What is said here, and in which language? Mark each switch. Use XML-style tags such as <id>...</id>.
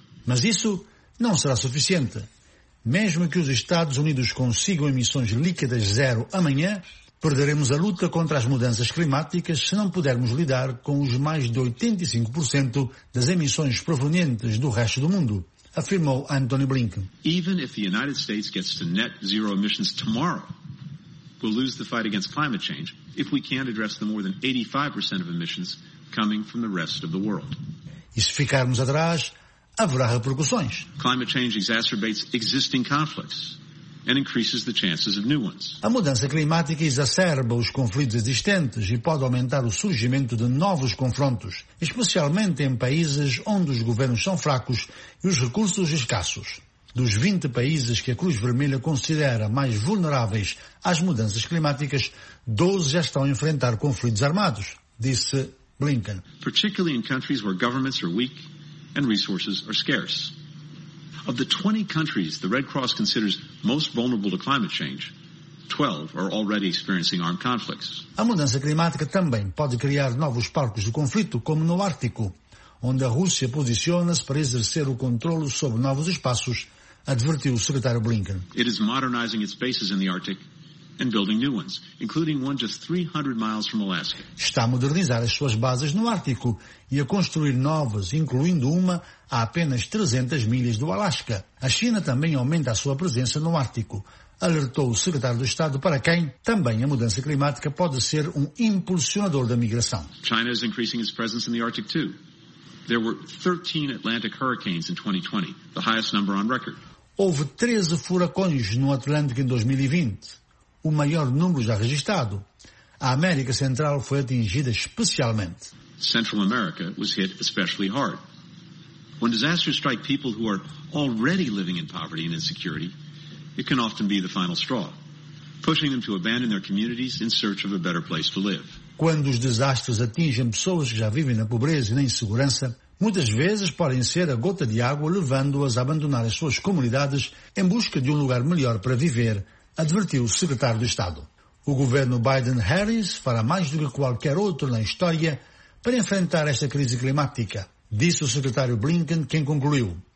<pt>Mas isso não será suficiente. Mesmo que os Estados Unidos consigam emissões líquidas zero amanhã, perderemos a luta contra as mudanças climáticas se não pudermos lidar com os mais de 85% das emissões provenientes do resto do mundo, afirmou Antony Blinken.</pt> <en>Even if the United States gets to net zero emissions tomorrow, we'll lose the fight against climate change if we can't address the more than 85% of emissions coming from the rest of the world.</en> <pt>E se ficarmos atrás, haverá repercussões.</pt> <en>Climate change exacerbates existing conflicts and increases the chances of new ones.</en> <pt>A mudança climática exacerba os conflitos existentes e pode aumentar o surgimento de novos confrontos, especialmente em países onde os governos são fracos e os recursos escassos. Dos 20 países que a Cruz Vermelha considera mais vulneráveis às mudanças climáticas, 12 já estão a enfrentar conflitos armados, disse Blinken.</pt> <en>Particularly in countries where governments are weak and resources are scarce. Of the 20 countries the Red Cross considers most vulnerable to climate change, 12 are already experiencing armed conflicts.</en> <pt>A mudança climática também pode criar novos palcos de conflito, como no Ártico, onde a Rússia posiciona-se para exercer o controle sobre novos espaços, advertiu o secretário Blinken.</pt> <en>It is modernizing its bases in the Arctic and building new ones, including one just 300 miles from Alaska.</en> <pt>Está a modernizar as suas bases no Ártico e a construir novas, incluindo uma a apenas 300 milhas do Alasca. A China também aumenta a sua presença no Ártico, alertou o secretário do Estado, para quem também a mudança climática pode ser um impulsionador da migração.</pt> <en>China is increasing its presence in the Arctic too. There were 13 Atlantic hurricanes in 2020, the highest number on record.</en> <pt>Houve 13 furacões no Atlântico em 2020. O maior número já registado. A América Central foi atingida especialmente.</pt> <en>Central America was hit especially hard. When disasters strike people who are already living in poverty and insecurity, it can often be the final straw, pushing them to abandon their communities in search of a better place to live.</en> <pt>Quando os desastres atingem pessoas que já vivem na pobreza e na insegurança, muitas vezes podem ser a gota de água levando-as a abandonar as suas comunidades em busca de um lugar melhor para viver, advertiu o secretário do Estado. O governo Biden-Harris fará mais do que qualquer outro na história para enfrentar esta crise climática, disse o secretário Blinken, quem concluiu.</pt>